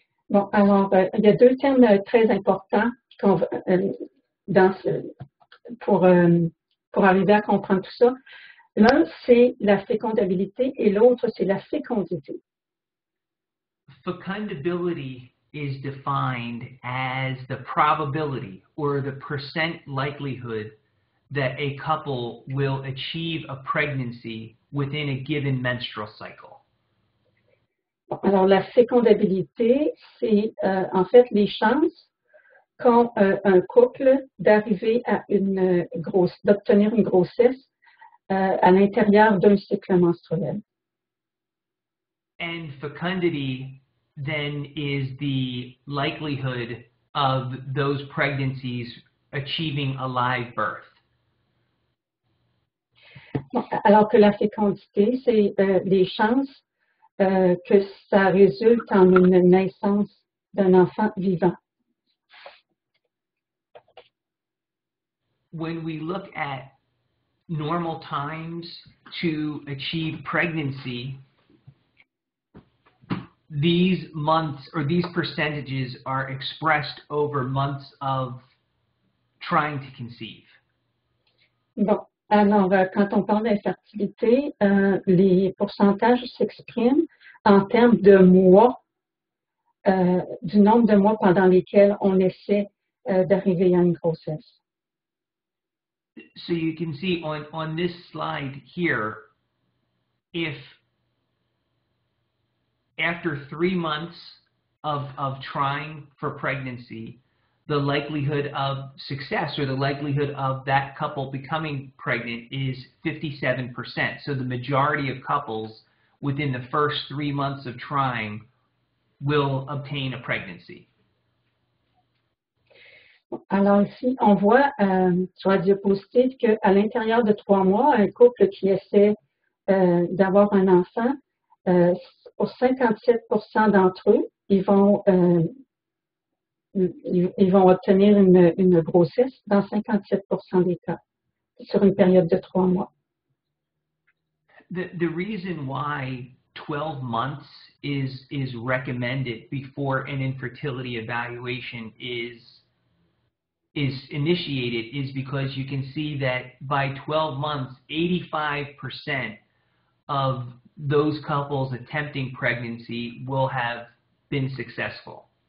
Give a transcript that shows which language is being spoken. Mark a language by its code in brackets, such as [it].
[fr] Bon, alors, il y a deux termes très importants pour arriver à comprendre tout ça. L'un, c'est la fécondabilité et l'autre, c'est la fécondité. [en] Fecundability is defined as the probability or the percent likelihood that a couple will achieve a pregnancy within a given menstrual cycle. [fr] Alors la fécondabilité, c'est en fait les chances quand un couple d'arriver à une grosse d'obtenir une grossesse à l'intérieur d'un cycle menstruel. [en] And fecundity then is the likelihood of those pregnancies achieving a live birth. [fr] Alors que la fécondité, c'est les chances que ça résulte en une naissance d'un enfant vivant. [en] When we look at normal times to achieve pregnancy, these months or these percentages are expressed over months of trying to conceive. [fr] Bon, alors quand on parle d'infertilité, les pourcentages s'expriment en termes de mois, du nombre de mois pendant lesquels on essaie d'arriver à une grossesse. [en] So you can see on this slide here, if after 3 months of trying for pregnancy, the likelihood of success or the likelihood of that couple becoming pregnant is 57%. So the majority of couples within the first 3 months of trying will obtain a pregnancy. [fr] Alors ici, on voit sur la diapositive qu'à l'intérieur de 3 mois, un couple qui essaie d'avoir un enfant, pour 57% d'entre eux, ils vont obtenir une grossesse dans 57% des cas sur une période de 3 mois. [en] The reason why 12 months is recommended before an infertility evaluation is initiated is because you can see that by 12 months, 85% of those couples attempting pregnancy will have been successful.